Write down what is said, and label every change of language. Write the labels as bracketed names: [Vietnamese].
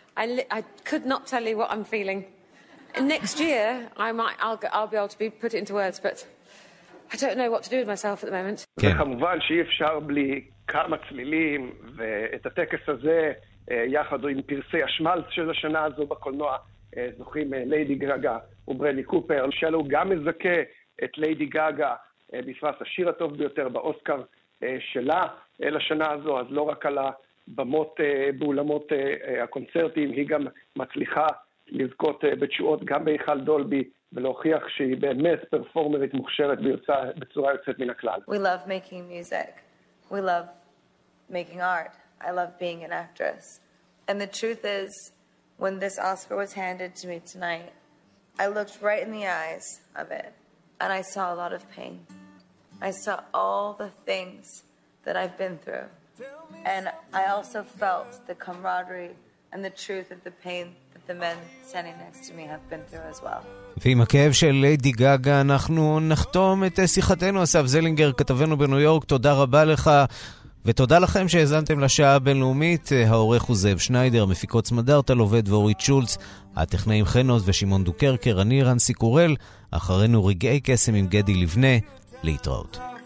[English] I could not tell you what I'm feeling. Next year I'll be able to be put into words, but I don't know what to do with myself at the moment. [Hebrew] וכמובן שאי אפשר בלי כמה צלילים, ואת הטקס הזה יחד עם פרסי השמלץ של השנה הזו בקולנוע זוכים ליידי גאגה וברדלי קופר, שאלו גם מזכה את ליידי גאגה בפרס השיר הטוב ביותר באוסקר שלה לשנה הזו. אז לא רק על במות באולמות הקונצרטים, היא גם מצליחה לזכות בתשואות גם בהיכל דולבי ולהוכיח שהיא באמת פרפורמרית מוכשרת בצורה יוצאת מן הכלל. [English] We love making music. We love making art. I love being an actress. And the truth is, when this Oscar was handed to me tonight, I looked right in the eyes of it and I saw a lot of pain. I saw all the things that I've been through. And I also felt the camaraderie and the truth of the pain that the men standing next to me have been through as well. [Hebrew] ועם הכאב של ליידי גאגה אנחנו נחתום את שיחתנו. אסף זלינגר, כתבנו בניו יורק, תודה רבה לך, ותודה לכם שהזנתם לשעה הבינלאומית. העורך הוא זאב שניידר, מפיקות סמדרת, הלובד ואורית שולץ, הטכנאים חנוס ושימון דוקרקר, אני רנסי קורל, אחרינו רגעי קסם עם גדי לבנה, להתראות.